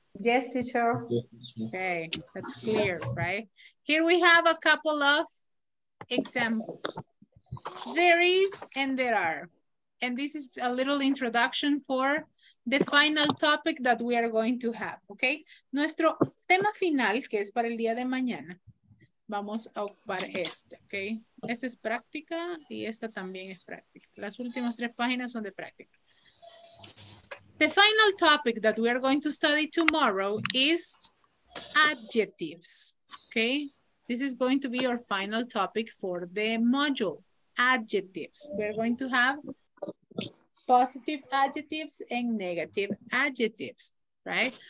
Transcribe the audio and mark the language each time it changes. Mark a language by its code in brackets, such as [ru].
[en] Yes, teacher. Okay, that's clear, right? Here we have a couple of examples. There is and there are. And this is a little introduction for the final topic that we are going to have, okay? [es] Nuestro tema final, que es para el día de mañana, vamos a ocupar este, okay? Esta es práctica y esta también es práctica. Las últimas tres páginas son de práctica. [en] The final topic that we are going to study tomorrow is adjectives, okay? This is going to be our final topic for the module, adjectives. We're going to have positive adjectives and negative adjectives, right?